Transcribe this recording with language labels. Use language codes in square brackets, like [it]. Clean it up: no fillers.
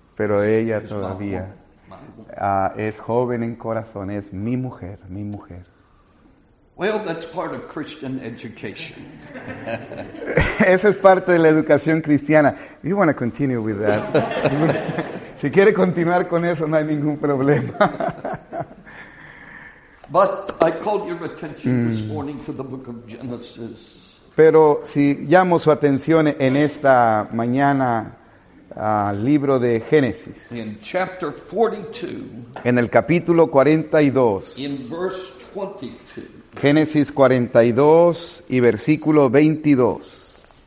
[es] Pero ella she todavía... es joven en corazón, es mi mujer. [en] Well, that's part of Christian education. [es] Esa es parte de la educación cristiana. [en] You want to continue with that? [es] Si quiere continuar con eso, no hay ningún problema. [en] But I called your attention this morning for the book of Genesis. [es] Pero si llamo su atención en esta mañana... libro de Génesis. [en] In chapter 42, [es] en el capítulo 42. [en] In verse 22, [es] Génesis 42 y versículo 22.